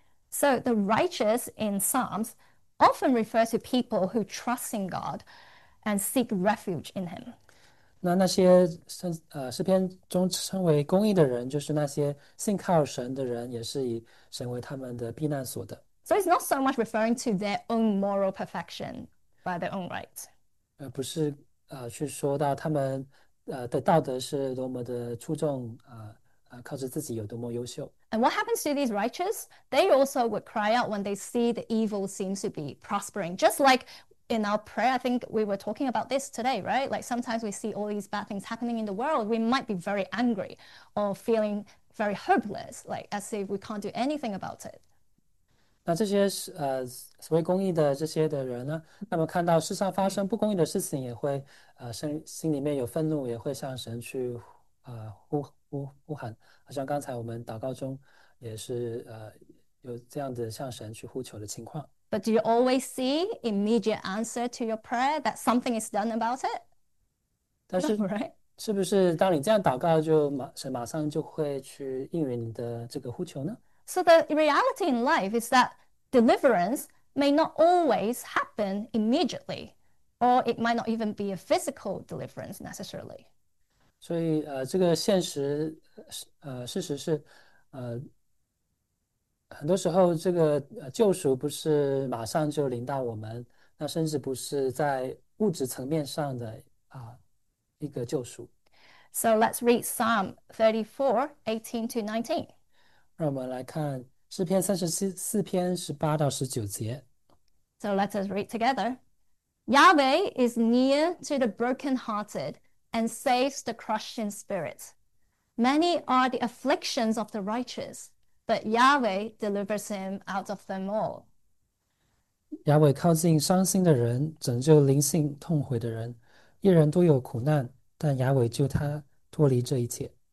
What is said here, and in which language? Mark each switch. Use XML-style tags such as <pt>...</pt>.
<en>So the righteous in Psalms often refer to people who trust in God and seek refuge in him.</en> <zh>那些诗篇中称为公义的人，就是那些信靠神的人，也是以神为他们的避难所的。</zh> <en>So it's not so much referring to their own moral perfection by their own right.</en> <zh>不是去说到他们的道德是多么的出众，靠着自己有多么优秀。</zh> <en>And what happens to these righteous? They also would cry out when they see the evil seems to be prospering, just like in our prayer, I think we were talking about this today, right? Like sometimes we see all these bad things happening in the world, we might be very angry or feeling very hopeless, like as if we can't do anything about it.</en> <zh>那这些所谓公义的这些的人呢，那么看到世上发生不公义的事情，也会心里面有愤怒，也会向神去呼喊，好像刚才我们祷告中也是有这样的向神去呼求的情况。</zh> <en>But do you always see immediate answer to your prayer that something is done about it?</en> <zh>但</zh> <en>No,</en> <zh>是</zh> <en>right?</en> <zh>是不是当你这样祷告神马上就会去应允你的这个呼求呢？</zh> <en>So the reality in life is that deliverance may not always happen immediately, or it might not even be a physical deliverance necessarily.</en> <zh>所以，这个现实，事实是，很多时候这个救赎不是马上就临到我们，那甚至不是在物质层面上的一个救赎。</zh> <en>So let's read Psalm 34, 18 to 19.</en> <zh>让我们来看诗篇37篇18到19节。</zh> <en>So let us read together. Yahweh is near to the brokenhearted and saves the crushed in spirit. Many are the afflictions of the righteous, but Yahweh delivers him out of them all.</en> <zh>亚伟靠近伤心的人，拯救灵性痛悔的人。一人多有苦难，但亚伟救他脱离这一切。</zh>